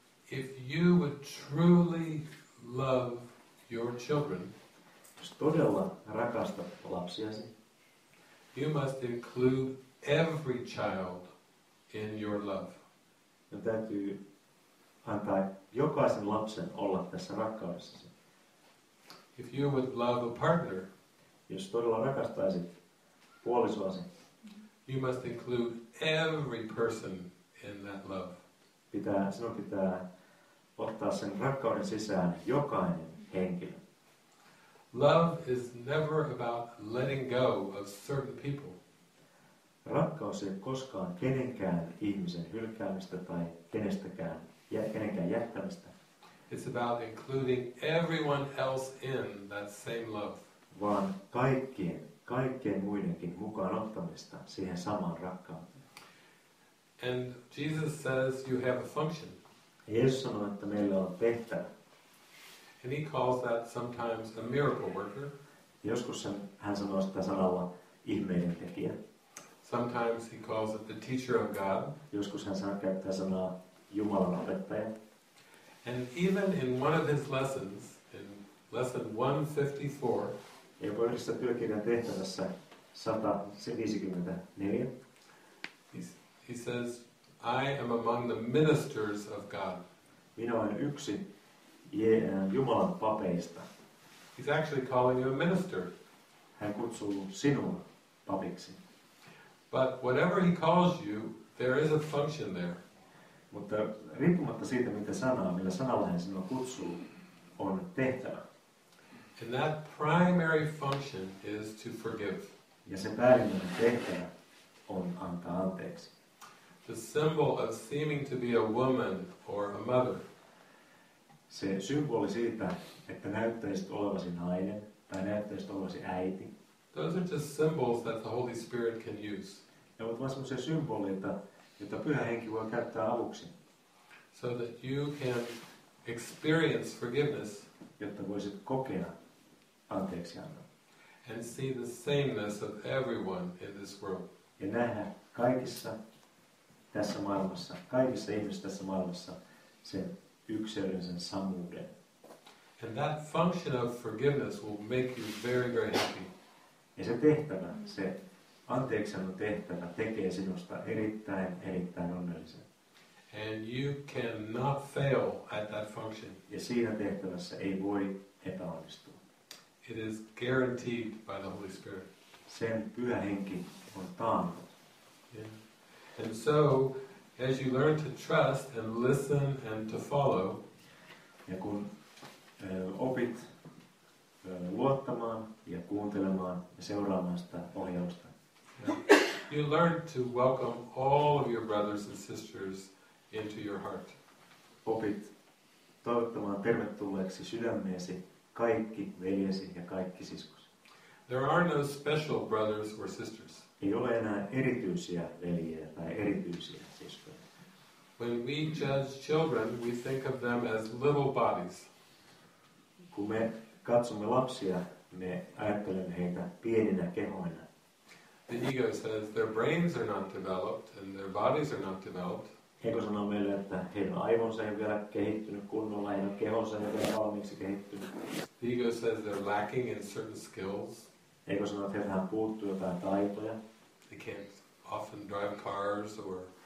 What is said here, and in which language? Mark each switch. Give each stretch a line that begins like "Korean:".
English: If you would truly love your children,
Finnish: jos todella rakastat lapsiasi,
English: you must include every child in your love.
Finnish: Täytyy antaa jokaisen lapsen olla tässä rakkaudessasi.
English: If you would love a partner,
Finnish: jos todella rakastaisit puolisoasi,
English: you must include every person in that love.
Finnish: Sinun pitää ottaa sen rakkauden sisään jokainen henkilö.
English: Love is never about letting go of certain people.
Finnish: Rakkaus ei koskaan kenenkään ihmisen hylkäämistä tai kenestäkään kenenkään jättämistä.
English: It's about including everyone else in that same love.
Finnish: Vaan kaikkien muidenkin mukaan ottamista siihen samaan rakkauteen.
English: And Jesus says you have a function.
Finnish: Jeesus sanoo, että meillä on tehtävä.
English: And he calls that sometimes a miracle worker.
Finnish: Joskus hän sanoo sitä sanalla ihmeiden tekijä.
English: Sometimes he calls it the teacher of God.
Finnish: Joskus hän käyttää sanaa Jumalan opettaja.
English: And even in one of his lessons, in lesson 154,
Finnish: jopa yhdessä työkirjan tehtävässä 154,
English: he says, I am among the ministers of God.
Finnish: Minä olen yksi Jumalan papeista.
English: He's actually calling you a minister.
Finnish: Hän kutsuu sinua papiksi.
English: But whatever he calls you, there is a function there.
Finnish: Mutta riippumatta siitä, mitä sanaa, millä sanalla hän sinua kutsuu, on tehtävä.
English: And that primary function is to forgive.
Finnish: Ja se päällimmäinen tehtävä on antaa anteeksi.
English: The symbol of seeming to be a woman or a mother.
Finnish: Se symboli siitä, että näyttäisit olevasi nainen tai näyttäisit olevasi äiti.
English: Those are just symbols that the Holy Spirit can use.
Finnish: Ne ovat vain semmoisia symboleita, joita Pyhä Henki voi käyttää avuksi.
English: So that you can experience forgiveness.
Finnish: Jotta voisit kokea anteeksiannon.
English: And see the sameness of everyone in this world.
Finnish: Ja nähdä kaikissa tässä maailmassa, kaikissa ihmisissä tässä maailmassa sen yksilön, sen samuuden.
English: And that function of forgiveness will make you very, very happy.
Finnish: Ja se tehtävä, se anteeksiannon tehtävä tekee sinusta erittäin erittäin onnellisen.
English: And you cannot fail at that function.
Finnish: Ja siinä tehtävässä ei voi epäonnistua.
English: It is guaranteed by the Holy Spirit.
Finnish: Sen pyhä henki on taannut.
English: Yeah. And so, as you learn to trust and listen and to follow,
Finnish: ja kun opit luottamaan ja kuuntelemaan ja seuraamaan sitä ohjausta,
English: you learn to welcome all of your brothers and sisters into your heart.
Finnish: Opit toivottamaan tervetulleeksi sydämeesi kaikki veljesi ja kaikki siskosi.
English: There are no special brothers or sisters.
Finnish: Ei ole enää erityisiä veljiä tai erityisiä siskoja.
English: When we judge children, we think of them as little bodies.
Finnish: Kun me katsomme lapsia, me ajattelemme heitä pieninä kehoina.
English: The ego says their brains are not developed and their bodies are not developed.
Finnish: Ego sanoo meille, että heidän aivonsa ei vielä kehittynyt kunnolla, heidän kehonsa ei vielä valmiiksi kehittynyt.
English: The ego says they're lacking in certain skills.
Finnish: Ego sanoo, että heiltähän puuttuu jotain taitoja.
English: They can't often drive cars or